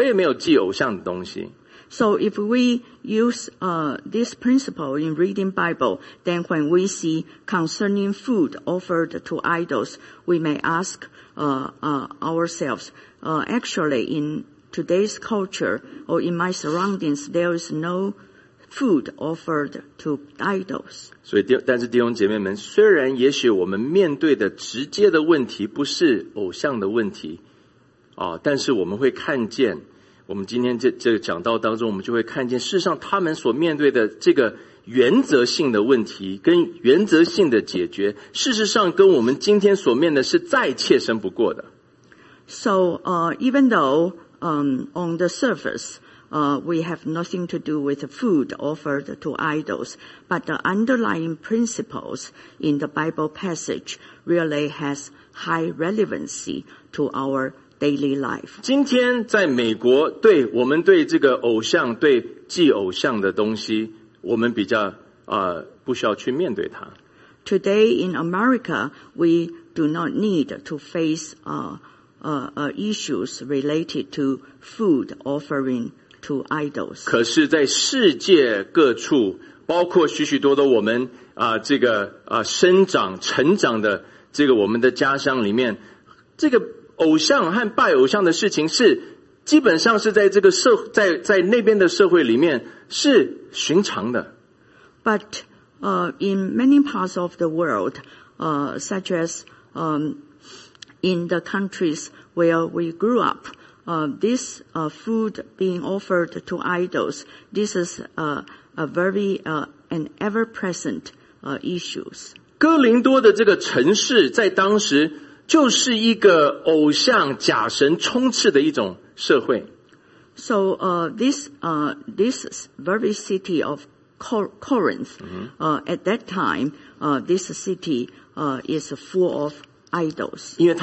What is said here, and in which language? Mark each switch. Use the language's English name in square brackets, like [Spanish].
[Chinese] 那所以我们看到第一节的时候，论到祭偶像之物，那我们很多人就说，那这段经文我看第八章跟我没有关系。我们今天我没有偶像，我也没有祭偶像的东西。 [English] So if we use this principle in reading Bible, then when we see concerning food offered to idols, we may ask ourselves, actually in today's culture or in my surroundings, there is no food offered to idols. [Chinese] 所以，但是弟兄姐妹们， 虽然也许我们面对的直接的问题不是偶像的问题， 但是我们会看见， 我们今天这个讲道当中， 我们就会看见事实上他们所面对的这个原则性的问题， 跟原则性的解决， 事实上跟我们今天所面的是再切身不过的。 [English] So even though on the surface, we have nothing to do with the food offered to idols, but the underlying principles in the Bible passage really has high relevancy to our daily life. [Chinese] 今天在美国，对我们对这个偶像、对祭偶像的东西， 我们比较, 不需要去面对它。 [English] Today in America, we do not need to face issues related to food offering to idols. [Chinese] 可是在世界各处, 包括许许多多我们, 这个, 生长, 成长的, 这个我们的家乡里面, 这个偶像和拜偶像的事情是, 基本上是在这个社, 在那边的社会里面, 是寻常的。 [English] But, in many parts of the world, such as, in the countries where we grew up, this food being offered to idols, this is a very an ever-present issues. [Chinese] 哥林多的这个城市在当时就是一个偶像假神充斥的一种社会。 [English] So this very city of Corinth, at that time, this city is full of idols.